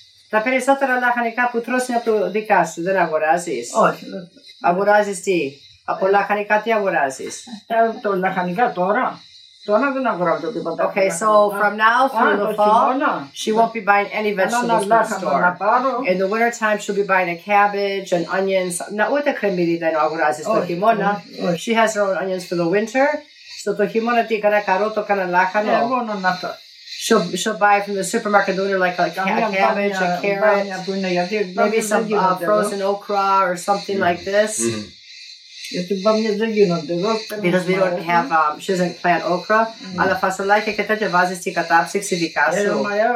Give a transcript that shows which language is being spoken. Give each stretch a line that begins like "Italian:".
Greek: Τα περισσότερα λαχανικά που τρως είναι από το δικά σου, δεν αγοράζεις. Όχι. Αγοράζεις τι? Από λαχανικά τι αγοράζεις? Το λαχανικά τώρα. Τώρα δεν αγοράζω το τίποτα.
English: Okay, so from now through the fall, she won't be buying any vegetables in the store. In the winter time, she'll be buying a cabbage and onions.
Greek: Να ούτε κρεμμύδι δεν αγοράζεις το χειμώνα.
English: She has her own onions for the winter.
Greek: So το χειμώνα τι, κανένα καρότο, κανένα λάχανο. Ναι, μόνο να το.
English: She'll buy from the supermarket the winter, like a cabbage, a carrot, maybe some frozen okra or something like this. Because we don't have, she doesn't plant okra.
Greek: Αλλά φασολάκια και τέτοια βάζεις στην κατάψυξη δικά σου.